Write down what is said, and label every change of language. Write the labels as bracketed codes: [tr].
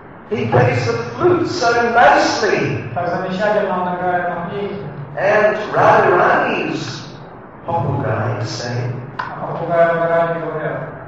[en] He plays the flute so nicely. [ru] Так замечательно он играет на флейте. [en] And Radharani's [ru] попугай [en] is saying. [ru] А попугаи Радхарани говорят.